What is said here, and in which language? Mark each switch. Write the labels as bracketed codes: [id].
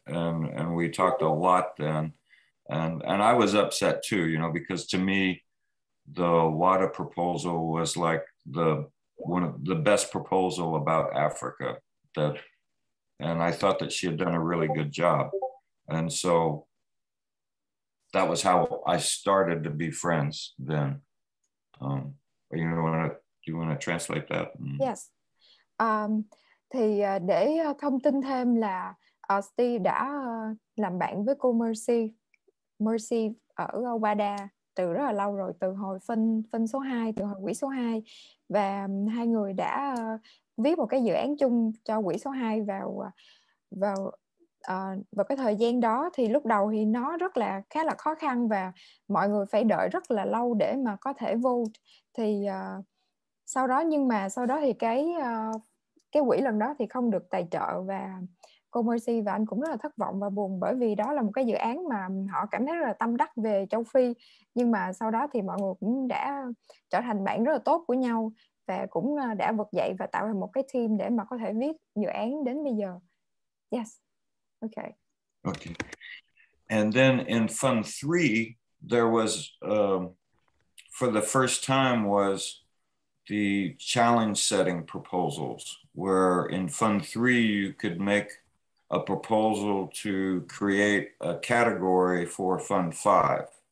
[en] And we talked a lot then. And I was upset too, you know, because to me, the WADA proposal was like the one of the best proposal about Africa that, and I thought that she had done a really good job. And so that was how I started to be friends then. You know, do you want to translate that? Yes. [vi] Thì để thông tin thêm là Steve đã làm bạn với cô Mercy ở WADA từ rất là lâu rồi, từ hồi phân số 2, từ hồi quỹ số 2. Và hai người đã viết một cái dự án chung cho quỹ số 2 vào cái thời gian đó. Thì lúc đầu thì nó rất là khá là khó khăn và mọi người phải đợi rất là lâu để mà có thể vote. Thì sau đó thì cái quỹ lần đó thì không được tài trợ. Và cô Mercy và anh cũng rất là thất vọng và buồn, bởi vì đó là một cái dự án mà họ cảm thấy rất là tâm đắc về châu Phi. Nhưng mà sau đó thì mọi người cũng đã trở thành bạn rất là tốt của nhau và cũng đã vực dậy và tạo thành một cái team để mà có thể viết dự án đến bây giờ. [en] Yes. Okay. Okay. And then in Fund 3, there was, for the first time, was the challenge setting proposals, where in Fund 3 you could make a proposal to create a category for Fund 5.